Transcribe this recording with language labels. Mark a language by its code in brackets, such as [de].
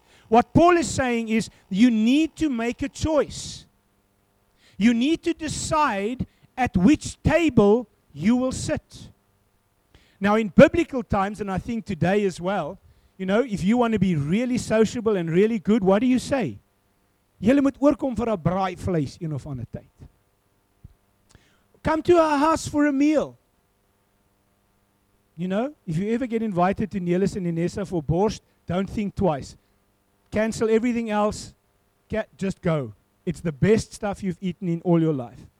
[en] What Paul is saying is, you need to make a choice. You need to decide at which table you will sit. Now, in biblical times, and I think today as well, you know, if you want to be really sociable and really good, what do you say? [af] Julle moet oorkom vir 'n braai vleis een of ander tyd. [en] Come to our house for a meal. You know, if you ever get invited to Nelis and Inessa for borscht, don't think twice. Cancel everything else. Just go. It's the best stuff you've eaten in all your life.